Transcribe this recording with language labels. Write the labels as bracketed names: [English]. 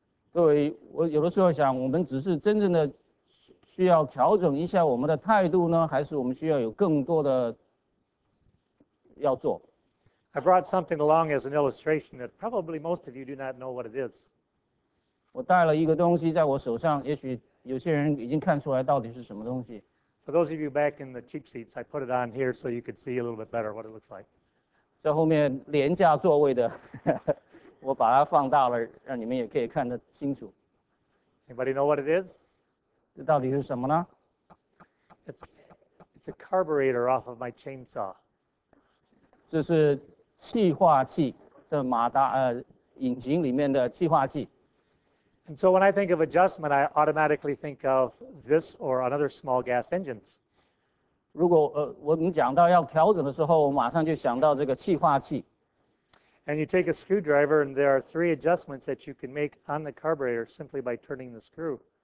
[Chinese] 各位，我有的时候想，我们只是真正的需要调整一下我们的态度呢，还是我们需要有更多的要做？ [English] I brought something along as an illustration that probably most of you do not know what it is. [Chinese] 我带了一个东西在我手上，也许有些人已经看出来到底是什么东西。 [English] For those of you back in the cheap seats, I put it on here so you could see a little bit better what it looks like. [Chinese] 在后面廉价座位的，我把它放大了，让你们也可以看得清楚。 [English] Anybody know what it is? [Chinese] 这到底是什么呢？ [English] It's a carburetor off of my chainsaw. [Chinese] 这是气化器，这马达，引擎里面的气化器。 [English] And so when I think of adjustment, I automatically think of this or another small gas engines. [Chinese] 如果我们讲到要调整的时候，我马上就想到这个气化器。 [English] And you take a screwdriver, and there are three adjustments that you can make on the carburetor simply by turning the screw.